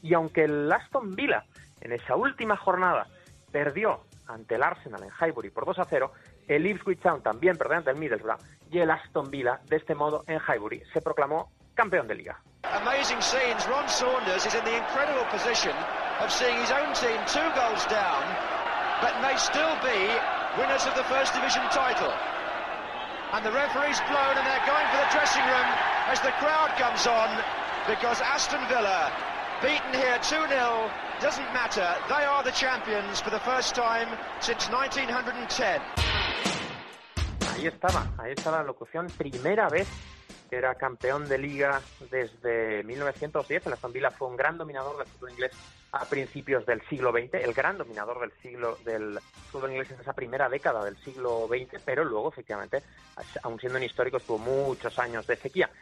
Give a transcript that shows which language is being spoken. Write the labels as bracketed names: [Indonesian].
[Spanish] Y aunque el Aston Villa en esa última jornada perdió ante el Arsenal en Highbury por 2-0, el Ipswich Town también perdió ante el Middlesbrough, y el Aston Villa de este modo en Highbury se proclamó campeón de liga. [English] Amazing scenes. Ron Saunders is in the incredible position of seeing his own team 2 goals down, but may still be winners of the first division title. And the referee's blown, and they're going for the dressing room as the crowd comes on, because Aston Villa beaten here 2-0 doesn't matter. They are the champions for the first time since 1910. [Spanish] Ahí estaba la locución, primera vez que era campeón de liga desde 1910. El Aston Villa fue un gran dominador del fútbol inglés a principios del siglo XX, el gran dominador del fútbol inglés en esa primera década del siglo XX, pero luego, efectivamente, aun siendo un histórico, tuvo muchos años de sequía.